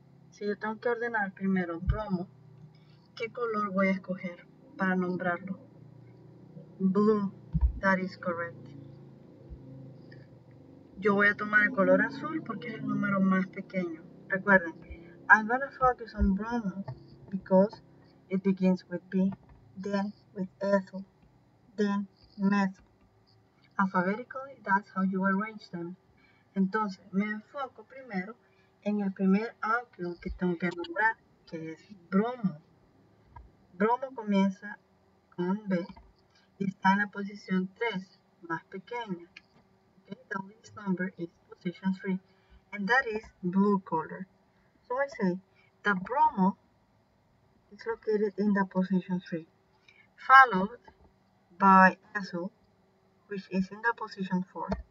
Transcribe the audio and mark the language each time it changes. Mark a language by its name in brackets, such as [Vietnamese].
[Spanish] Si yo tengo que ordenar primero bromo, ¿qué color voy a escoger para nombrarlo? [English] Blue, that is correct. [Spanish] Yo voy a tomar el color azul porque es el número más pequeño. Recuerden, [English] I'm going to focus on bromo because it begins with B, then with ethyl, then methyl. Alphabetically, that's how you arrange them. [Spanish] Entonces, me enfoco primero en el primer alquil que tengo que nombrar, que es bromo. Bromo comienza con B y está en la posición 3, más pequeña. [English] Okay, the least number is position 3, and that is blue color. So I say, the bromo is located in the position 3, followed by azul, which is in the position 4.